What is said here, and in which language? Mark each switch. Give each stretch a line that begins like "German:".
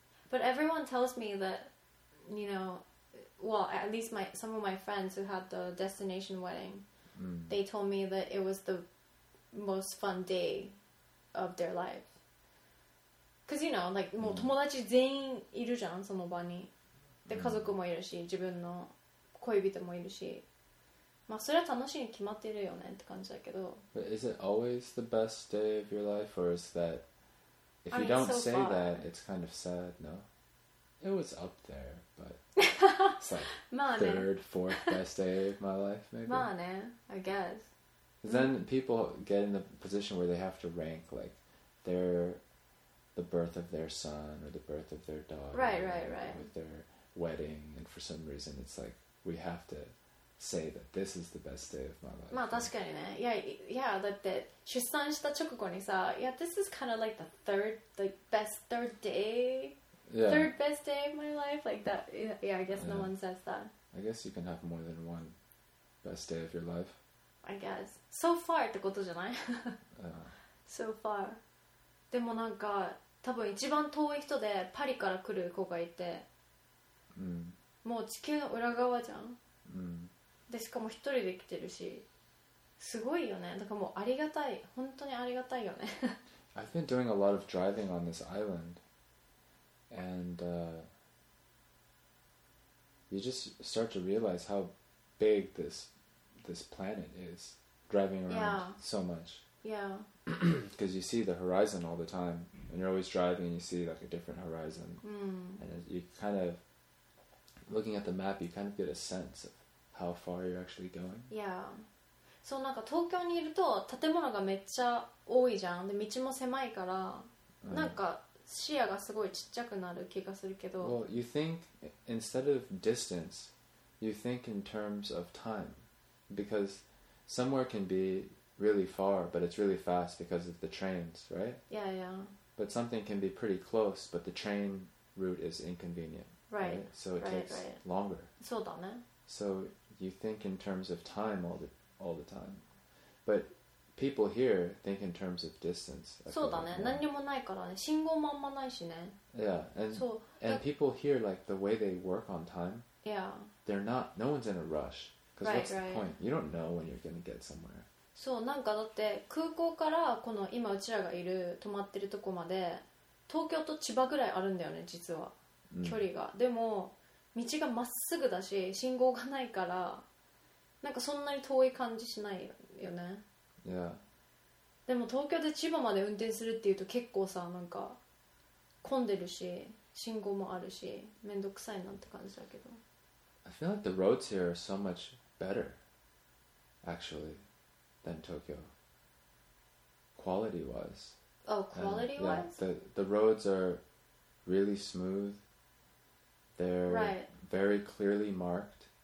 English: But everyone tells me that, you know, well, at least some of my friends who had the destination wedding, mm. they told me that it was the most fun day of their life. Because, you know, like,
Japanese: mm. もう友達全員いるじゃん、その場に。で、家族もいるし、自分の恋人もいるし、まあそれは楽しいに決まってるよねって感じだけど。
English: But is it always the best day of your life, or is that if you don't say that, it's kind of sad? No, it was up there, but it's like
Japanese: まあ、ね、
English: third, fourth best day of my life, maybe.
Japanese: まあね、
English: I guess. Then people get in the position where they have to rank like their the birth of their son or the birth of their daughter, right, with their wedding, and for some reason it's like. We have to say that this is the best day of my life.
Japanese: まあ確かにね。
English: Yeah,
Japanese: だって出産した直後にさ、
English: Yeah, this is kind of like the third, like best third day. Yeah. Third best day of my life, like that. Yeah, I guess yeah. no one says that. I guess you can have more than one best day of your life. I guess. So far
Japanese: ってことじゃない
English: So far.
Japanese: でもなんか、多分一番遠い人でパリから来る子がいて。うん。もう地球の裏側じゃん、うん、でしかも一人で来てるしすごいよねだからもうありがたい本当にありがたいよね
English: I've been doing a lot of driving on this island and you just start to realize how big this planet is driving around yeah. so much yeah because you see the horizon all the time and you're always driving and you see like a different horizon、 mm. and you kind ofLooking at the map, you kind of get a sense of how far you're actually going. Yeah. So,
Japanese: なんか東京にいると建物がめっちゃ多いじゃん。で、道も狭いから、なんか視野がすごいちっちゃくなる気がするけど。
English: Well, you think instead of distance, you think in terms of time, because somewhere can be really far, but it's really fast because of the trains, right? Yeah, yeah. But something can be pretty close, but the train route is inconvenient. Right, so it takes longer.
Japanese: そうだね。
English: So you think in terms of time all the time. But people here think in terms of distance.
Japanese: そうだね。何にもないからね。信号もあんまないしね。 Yeah, and so, and people here, like the way they work on time. Yeah. They're not. No one's in a rush. Because what's the point? You don't know when you're gonna get somewhere. そう、なんかだって空港からこの今うちらがいる泊まってるとこまで東京と千葉ぐらいあるんだよね、実は距離が。でも道がまっすぐだし信号がないからなんかそんなに遠い感じしないよね。いや。でも東京で千葉まで運転するっていうと結構さ、なんか混んでるし信号もあるしめんどくさいなって感じだけど。
English: I feel like the roads here are so much better, actually, than Tokyo. Quality wise. Oh, quality wise? Yeah, the roads are really smooth. They're very clearly marked.